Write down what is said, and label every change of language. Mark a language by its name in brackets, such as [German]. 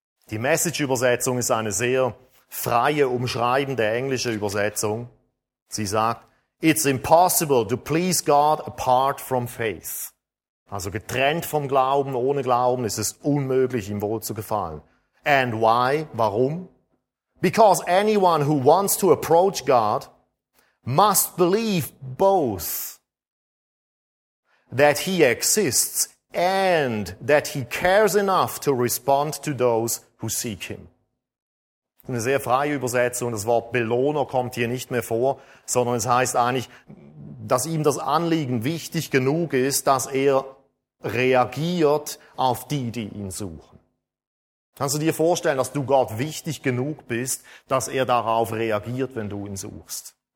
[German] Die Message-Übersetzung ist eine sehr freie, umschreibende englische Übersetzung. Sie sagt, [English] it's impossible to please God apart from faith. [German] Also getrennt vom Glauben, ohne Glauben, ist es unmöglich, ihm wohl zu gefallen. [English] And why? [German] Warum? [English] Because anyone who wants to approach God must believe both that he exists and that he cares enough to respond to those who seek him. [German] Eine sehr freie Übersetzung, das Wort Belohner kommt hier nicht mehr vor, sondern es heißt eigentlich, dass ihm das Anliegen wichtig genug ist, dass er reagiert auf die, die ihn suchen. Kannst du dir vorstellen, dass du Gott wichtig genug bist, dass er darauf reagiert, wenn du ihn suchst?